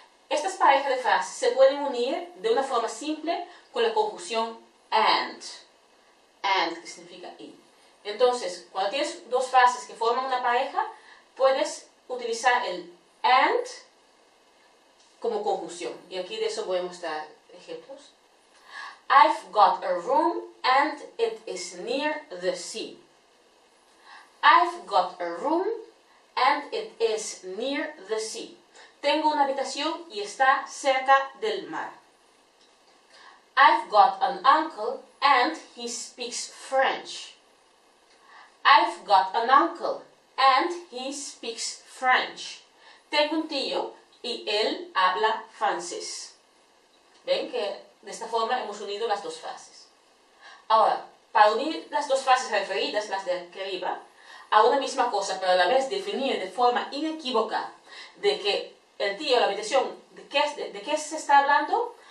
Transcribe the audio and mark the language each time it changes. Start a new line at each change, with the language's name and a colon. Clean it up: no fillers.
Spanish: Estas parejas de frases se pueden unir de una forma simple con la conjunción and. And, que significa y. Entonces, cuando tienes dos frases que forman una pareja, puedes utilizar el and como conjunción. Y aquí de eso voy a mostrar ejemplos.
English: I've got a room and it is near the sea. I've got a room and it is near the sea.
Spanish: Tengo una habitación y está cerca del mar.
English: I've got an uncle and he speaks French. I've got an uncle and he speaks French.
Spanish: Tengo un tío y él habla francés. ¿Ven que de esta forma hemos unido las dos frases? Ahora, para unir las dos frases referidas, las de aquí arriba, a una misma cosa, pero a la vez definir de forma inequívoca de que el tío, la habitación, ¿de qué se está hablando?